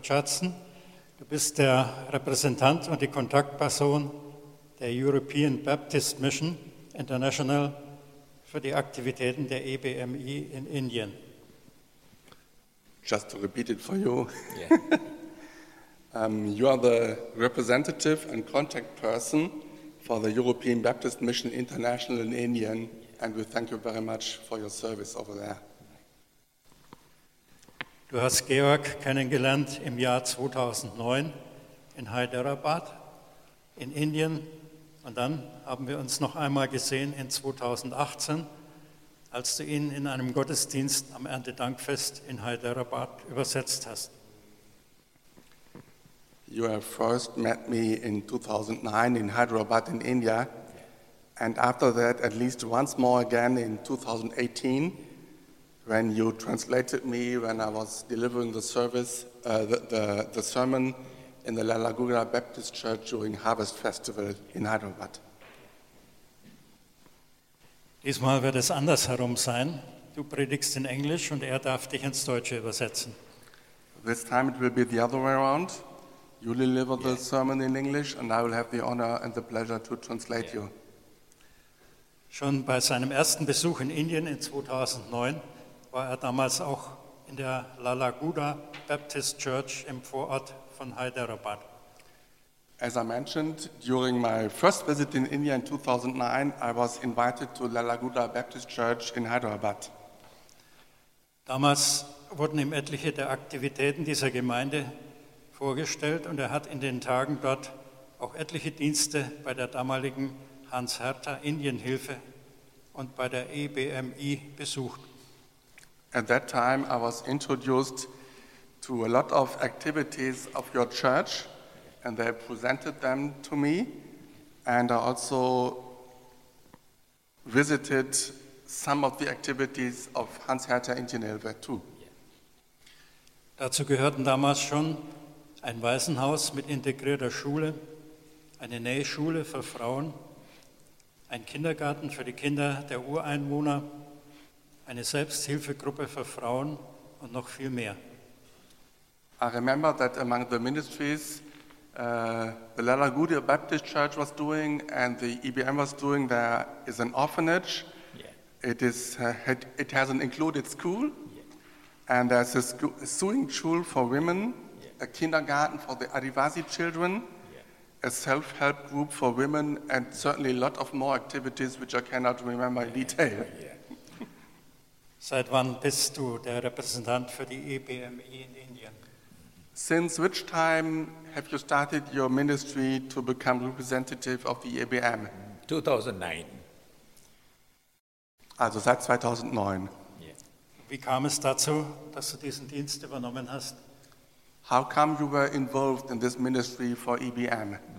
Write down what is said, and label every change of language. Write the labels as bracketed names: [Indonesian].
[German] Judson, du bist der Repräsentant und die Kontaktperson der European Baptist Mission International für die Aktivitäten der EBMI in Indien. [English] Just to repeat it for you. Yeah. you are the representative and contact person for the European Baptist Mission International in Indian, and we thank you very much for your service over there. [German] Du hast Georg kennengelernt im Jahr 2009 in Hyderabad in Indien, und dann haben wir uns noch einmal gesehen in 2018, als du ihn in einem Gottesdienst am Erntedankfest in Hyderabad übersetzt hast. [English] You have first met me in 2009 in Hyderabad in India, and after that at least once more again in 2018, when you translated me when I was delivering the service, the sermon in the La Laguna Baptist Church during Harvest Festival in Hyderabad. [German] Diesmal wird es andersherum sein. Du predigst in Englisch und er darf dich ins Deutsche übersetzen. [English] This time it will be the other way around. You will deliver the sermon in English and I will have the honor and the pleasure to translate you. [German] Schon bei seinem ersten Besuch in Indien in 2009 war er damals auch in der La Laguna Baptist Church im Vorort von Hyderabad. [English] As I mentioned, during my first visit in India in 2009, I was invited to La Laguna Baptist Church in Hyderabad. [German] Damals wurden ihm etliche der Aktivitäten dieser Gemeinde vorgestellt und er hat in den Tagen dort auch etliche Dienste bei der damaligen Hans Hertha Indienhilfe und bei der EBMI besucht. [English] At that time I was introduced to a lot of activities of your church, and they presented them to me, and I also visited some of the activities of Hans Hertha Indienhilfe too. [German] Dazu gehörten damals schon ein Waisenhaus mit integrierter Schule, eine Nähschule für Frauen, ein Kindergarten für die Kinder der Ureinwohner, eine Selbsthilfegruppe für Frauen und noch viel mehr. [English] I remember that among the ministries the La Laguna Baptist Church was doing and the EBM was doing, there is an orphanage. It has an included school. And there's a sewing school for women, a kindergarten for the Adivasi children, a self-help group for women, and certainly a lot of more activities which I cannot remember in detail. [German] Seit wann bist du der Repräsentant für die EBMI in Indien? [English] Since which time have you started your ministry to become representative of the EBM? 2009. [German] Also seit 2009. Wie kam es dazu, dass du diesen Dienst übernommen hast? [English] How come you were involved in this ministry for EBM?